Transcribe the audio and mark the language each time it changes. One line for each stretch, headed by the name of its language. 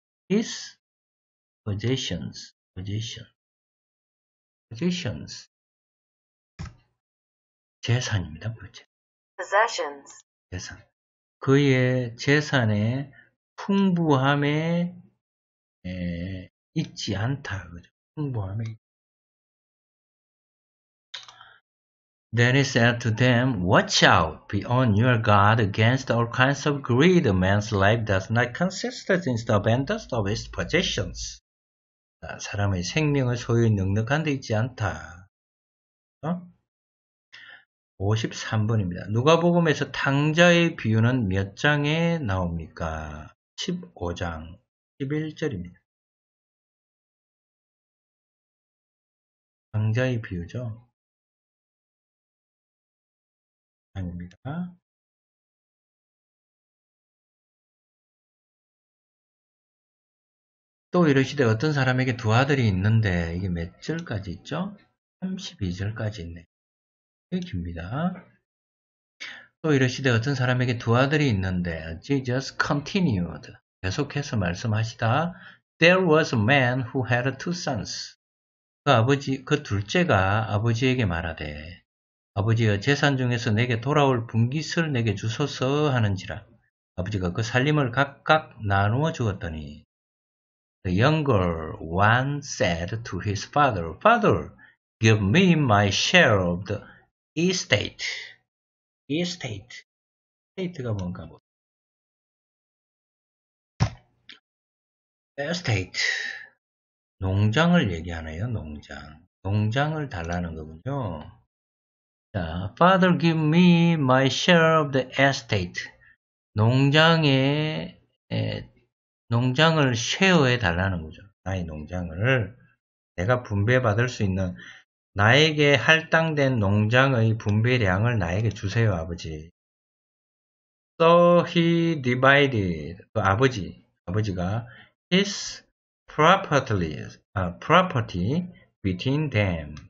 English: His possessions. Possession. Possessions.
Korean: 재산입니다.
English: Possessions.
Korean: 재산. 그의 재산의 풍부함에 있지 않다. 그죠? 풍부함에.
English: Then he said to them, Watch out, be on your guard against all kinds of greed. Man's life does not consist in the abundance of his possessions.
Korean: 사람의 생명을 소유 넉넉한 데 있지 않다. 어? 53번입니다. 누가복음에서 탕자의 비유는 몇 장에 나옵니까? 15장 11절입니다. 탕자의 비유죠. 아닙니다. 또 이러시되 어떤 사람에게 두 아들이 있는데 이게 몇 절까지 있죠? 32절까지 있네. 이게 깁니다. 또 이러시되 어떤 사람에게 두 아들이 있는데
English: Jesus continued.
Korean: 계속해서 말씀하시다.
English: There was a man who had two sons.
Korean: 그 둘째가 아버지에게 말하되 아버지여 재산 중에서 내게 돌아올 분깃을 내게 주소서 하는지라. 아버지가 그 살림을 각각 나누어 주었더니
English: The younger one said to his father, Father, give me my share of the estate. Estate. Estate가
Korean: 뭔가 뭐.
English: Estate.
Korean: 농장을 얘기하네요, 농장. 농장을 달라는 거군요.
English: Father, give me my share of the estate.
Korean: 농장을 쉐어해 달라는 거죠. 나의 농장을 내가 분배받을 수 있는 나에게 할당된 농장의 분배량을 나에게 주세요, 아버지.
English: So he divided
Korean: 그 아버지가
English: his property between them.